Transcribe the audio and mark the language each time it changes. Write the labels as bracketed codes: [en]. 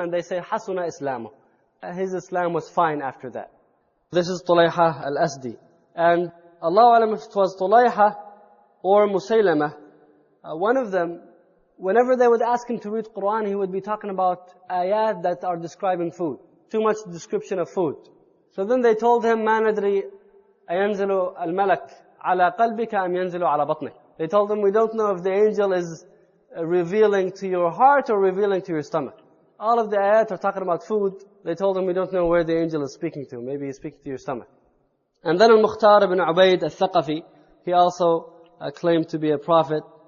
[en] And they say, Hasuna Islamu. His Islam was fine after that. This is Tulayha Al-Azdi. And Allahu A'lam if it was Tulayha or Musaylimah, one of them, whenever they would ask him to read Quran, he would be talking about ayat that are describing food. Too much description of food. So then they told him, [ar] مَا نَدْرِي أَيَنْزِلُ الْمَلَكُ عَلَى قَلْبِكَ أَمْ يَنْزِلُ عَلَى بَطْنِكَ. [en] They told him, we don't know if the angel is revealing to your heart or revealing to your stomach. All of the ayat are talking about food. They told him, we don't know where the angel is speaking to. Maybe he's speaking to your stomach. And then Al-Mukhtar ibn Ubayd al-Thaqafi, he also claimed to be a prophet.